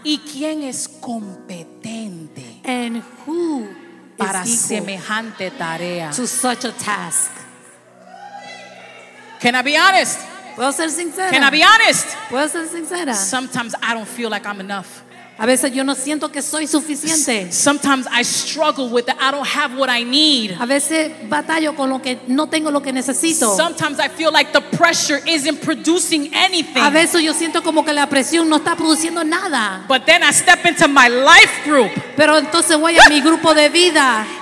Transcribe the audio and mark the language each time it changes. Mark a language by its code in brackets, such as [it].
[es] ¿Y quién es competente? [en] And who [es] para [en] is equal [es] semejante tarea, [en] to such a task? Can I be honest? [es] ¿Puedo ser sincera? [en] Can I be honest? [es] ¿Puedo ser sincera? [en] Sometimes I don't feel like I'm enough. [es] A veces yo no siento que soy suficiente. [en] Sometimes I struggle with that I don't have what I need. [es] A veces batallo con lo que no tengo lo que necesito. [en] Sometimes I feel like the pressure isn't producing anything. [es] A veces yo siento como que la presión no está produciendo nada. [en] But then I step into my life group. [es] Pero entonces voy a mi grupo de vida.